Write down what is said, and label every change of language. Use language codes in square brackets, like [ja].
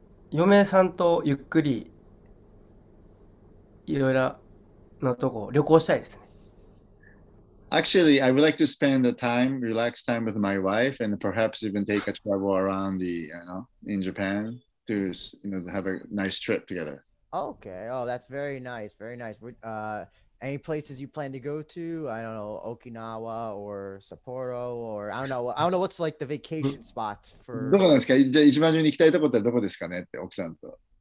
[ja] 嫁さんとゆっくりいろいろなとこ旅行したいですね。 [en] Actually, I would like to spend the time, relax time with my wife, and perhaps even take a travel around in Japan to have a nice trip together. Okay. Oh, that's very nice. Very nice. Any places you plan to go to? I don't know, Okinawa or Sapporo, or I don't know what's like the vacation spots for. [ja] どこなんですか？じゃあ一番上に行きたいとこってどこですかねって奥さんと。